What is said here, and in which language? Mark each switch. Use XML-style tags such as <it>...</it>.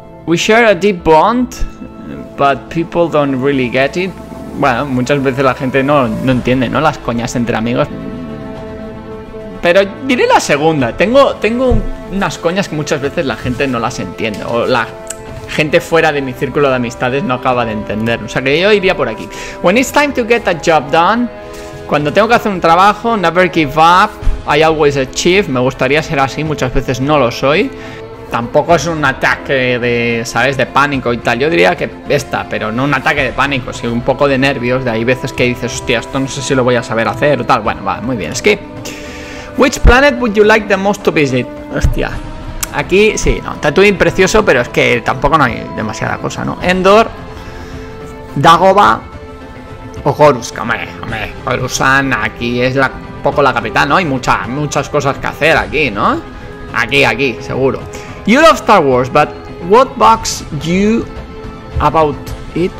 <en>We share a deep bond, but people don't really get it.</en> <es>Bueno, muchas veces la gente no entiende, ¿no? Las coñas entre amigos. Pero diré la segunda. Tengo unas coñas que muchas veces la gente no las entiende. O la gente fuera de mi círculo de amistades no acaba de entender. O sea que yo iría por aquí.</es> <en>When it's time to get a job done,</en> <es>cuando tengo que hacer un trabajo,</es> <en>never give up, I always achieve.</en> <es>Me gustaría ser así, muchas veces no lo soy. Tampoco es un ataque de, ¿sabes?, de pánico y tal. Yo diría que esta, pero no un ataque de pánico, sino un poco de nervios. De ahí veces que dices, hostia, esto no sé si lo voy a saber hacer o tal. Bueno, va, muy bien, skip.</es> <en>Which planet would you like the most to visit?</en> <es>Hostia. Aquí, sí, no, Tatooine precioso, pero es que tampoco no hay demasiada cosa, ¿no? Endor, Dagobah o Horus, hombre, Horusan aquí es la, poco la capital, ¿no? Hay muchas cosas que hacer aquí, ¿no? Aquí, seguro.</es> <en>You love Star Wars, but what bugs you about it?</en>